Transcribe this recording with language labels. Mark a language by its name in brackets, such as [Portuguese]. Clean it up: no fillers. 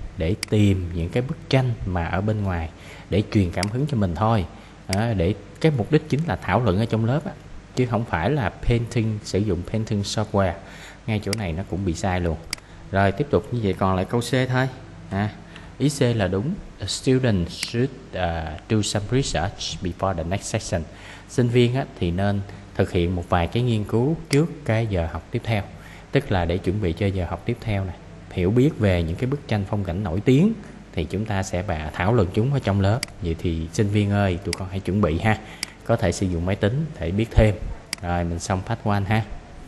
[Vietnamese] Để tìm những cái bức tranh mà ở bên ngoài để truyền cảm hứng cho mình thôi. Để cái mục đích chính là thảo luận ở trong lớp á, chứ không phải là sử dụng painting software. Ngay chỗ này nó cũng bị sai luôn. Rồi tiếp tục như vậy, còn lại câu C thôi. Ý C là đúng. [English] A student should do some research before the next session. [Vietnamese] Sinh viên thì nên thực hiện một vài cái nghiên cứu trước cái giờ học tiếp theo, tức là để chuẩn bị cho giờ học tiếp theo này. Hiểu biết về những cái bức tranh phong cảnh nổi tiếng thì chúng ta sẽ thảo luận chúng ở trong lớp. Vậy thì sinh viên ơi, tụi con hãy chuẩn bị ha. Có thể sử dụng máy tính để biết thêm. Rồi mình xong part 1 ha.